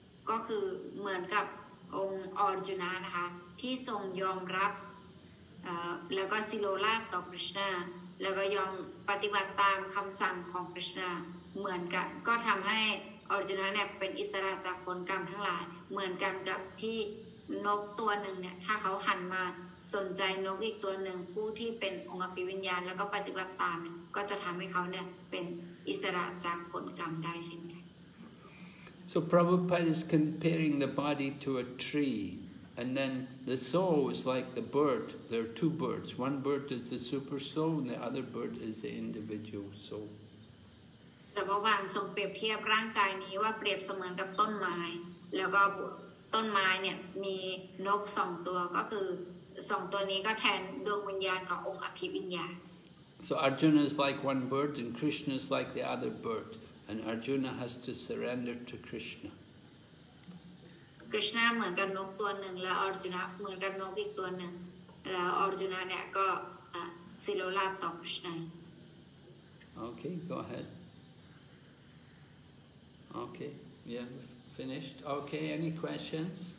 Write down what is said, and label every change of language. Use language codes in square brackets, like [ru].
[th] ก็คือเหมือนกับองค์อัร์จุนานะคะที่ทรงยอมรับแล้วก็สิโลลาบต่อคริชนาแล้วก็ยอมปฏิบัติตามคำสั่งของคริชนาเหมือนกันก็ทำให้อัร์จุนาเนี่ยเป็นอิสระจากผลกรรมทั้งหลายเหมือนกันกับที่นกตัวหนึ่งเนี่ยถ้าเขาหันมา สนใจนกอีกตัวหนึ่งผู้ที่เป็นองค์อภิวิญญาณแล้วก็ปฏิบัติตามก็จะทำให้เขาเนี่ยเป็นอิสระจากผลกรรมได้ใช่ไหม [en] So Prabhupada is comparing the body to a tree, and then the soul is like the bird. There are two birds. One bird is the super soul, and the other bird is the individual soul. [th] พระบาลทรงเปรียบเทียบร่างกายนี้ว่าเปรียบเสมือนกับต้นไม้แล้วก็ต้นไม้เนี่ยมีนก2ตัวก็คือ2ตัวนี้ก็แทนดวงวิญญาณขององค์อภิวิญญาณ [en] So Arjuna is like one bird and Krishna is like the other bird and Arjuna has to surrender to Krishna [th] Krishna เหมือนกับนกตัวนึงแล้ว Arjuna เหมือนกับนกอีกตัวนึงแล้ว Arjuna เนี่ยก็สิโลลาภต่อ Krishna [en] Okay go aheadOkay, we have finished. Okay, any questions?